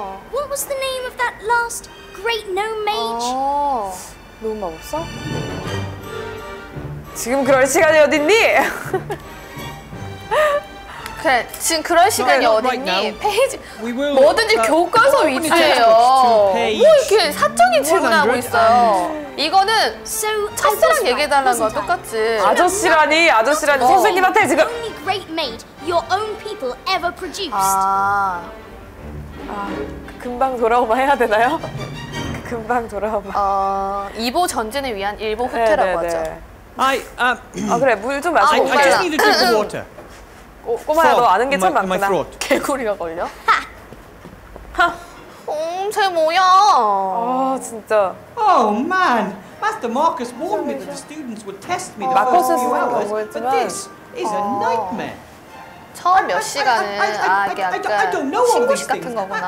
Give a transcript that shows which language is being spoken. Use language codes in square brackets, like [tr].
[en] What was the name of that last great gnome mage? [ko] 너무 막 없어? 지금 그럴 시간이 어딨니? 그래, 지금 그럴 시간이 어딨니? 페이지 뭐든지 교과서 위주예요. 뭐 이렇게 사적인 질문하고 있어요. 이거는 첫사랑 얘기해달라는 거랑 똑같지. 아저씨라니, 아저씨라니 선생님한테 지금. [en] Great mage, your own people ever produced. [ko] 금방 돌아오마 해야 되나요? 금방 돌아오마. 2보 전진을 위한 1보 후퇴라고 하죠. 아 그래, 물 좀 마시고. [en] I just need to drink the water. [ko] 꼬마야, 너 아는 게 참 많구나. 개구리가 걸려? 하! 쟤 뭐야? 진짜. [en] Oh man, Master Marcus warned me that the students would test me the first few hours, but this. It's a nightmare. [ko] 처음 몇 시간은 약간 신고식 같은 거구나.